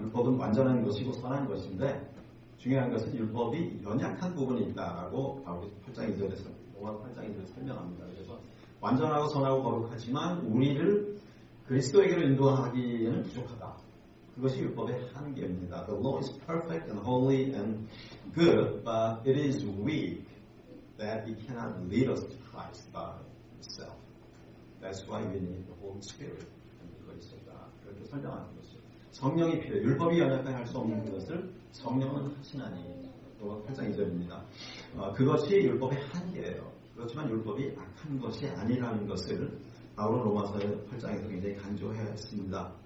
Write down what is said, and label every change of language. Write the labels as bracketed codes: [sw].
[ko] 율법은 완전한 것이고 선한 것인데 중요한 것은 율법이 연약한 부분이 있다라고 바울이 8장 2절에서 로마서 8장 2절에서 설명합니다. 그래서 완전하고 선하고 거룩하지만 우리를 그리스도에게로 인도하기에는 부족하다. 그것이 율법의 한계입니다. [en] The law is perfect and holy and good, but it is weak that it cannot lead us to Christ by itself. That's why we need the Holy Spirit. [ko] 그렇게 설명하는 것이죠. 성령이 필요해. 율법이 연약하게 할 수 없는 것을 성령은 하시나니. 8장 2절입니다. 그것이 율법의 한계예요. 그렇지만 율법이 악한 것이 아니라는 것을 바울은 로마서 8장에서 굉장히 강조했습니다.